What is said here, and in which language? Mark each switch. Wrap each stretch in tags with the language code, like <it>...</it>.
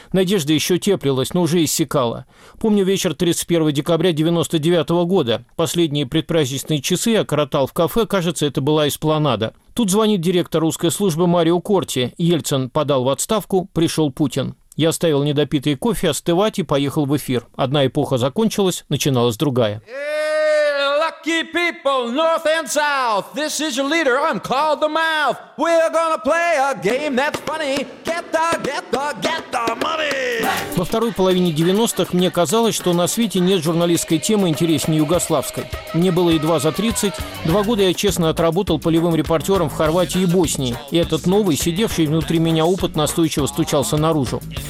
<ru>Надежда еще теплилась, но уже иссякала. Помню вечер 31 декабря 99 года. Последние предпраздничные часы я коротал в кафе, кажется, это была эспланада. Тут звонит директор русской службы Марио Корти. Ельцин подал в отставку, пришел Путин. Я оставил недопитый кофе остывать и поехал в эфир. Одна эпоха закончилась, начиналась другая.</ru> <en>Lucky people, north and south. This is your leader, I'm called the mouth. We're gonna play a game that's funny. Get the money.</en> <ru>Во второй половине 90-х мне казалось, что на свете нет журналистской темы интереснее югославской. Мне было едва за 30. Два года я честно отработал полевым репортером в Хорватии и Боснии. И этот новый, сидевший внутри меня опыт, настойчиво стучался наружу.</ru>